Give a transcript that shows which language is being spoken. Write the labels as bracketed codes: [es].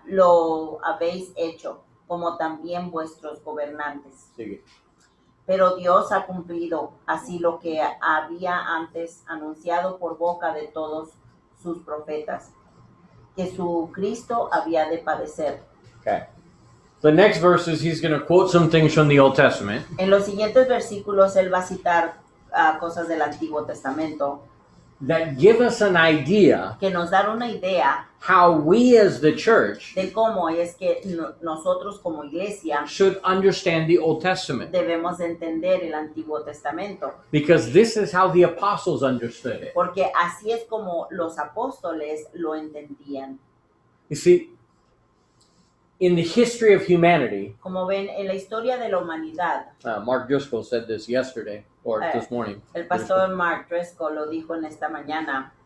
[es] lo habéis hecho, como también vuestros gobernantes. Sigue. Pero Dios ha cumplido así lo que había antes anunciado por boca de todos sus profetas, que su Cristo había de padecer. [en] Okay. The next verses, he's going to quote some things from the Old Testament. [es] En los siguientes versículos, él va a citar cosas del Antiguo Testamento. [en] That give us an idea. [es] Que nos dan una idea. [en] How we as the church. [es] De cómo es que nosotros como iglesia. [en] Should understand the Old Testament. [es] Debemos entender el Antiguo Testamento. [en] Because this is how the apostles understood it. [es] Porque así es como los apóstoles lo entendían. [en] You see. In the history of humanity. [es] Como ven en la historia de la humanidad. [en] Mark Driscoll said this yesterday. Or this morning. [es] El pastor Mark Driscoll lo dijo en esta mañana.